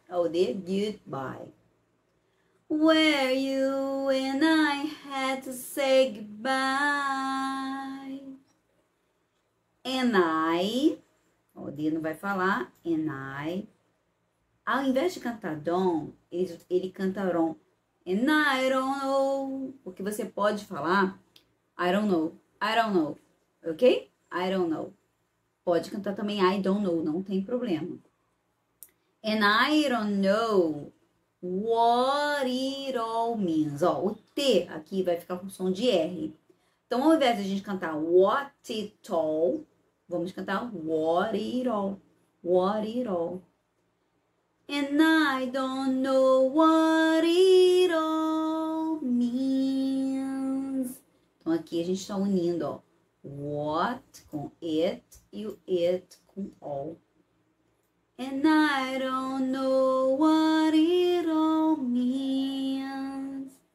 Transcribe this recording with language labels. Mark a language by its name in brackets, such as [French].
[English] Oh dear, goodbye. Where you and I had to say goodbye. And I, oh dear, [Portuguese] não vai falar. [English] And I, [Portuguese] ao invés de cantar don, ele canta ron. [English] And I don't know, [Portuguese] porque você pode falar [English] I don't know, ok? I don't know. [Portuguese] Pode cantar também [English] I don't know, [Portuguese] não tem problema. [English] And I don't know what it all means. [Portuguese] Ó, o T aqui vai ficar com som de R. Então, ao invés de a gente cantar what it all, vamos cantar [English] what it all, what it all. And I don't know what it all means. [Portuguese] Então, aqui a gente está unindo, ó, what com it e o it com all. [English] And I don't know what it all means.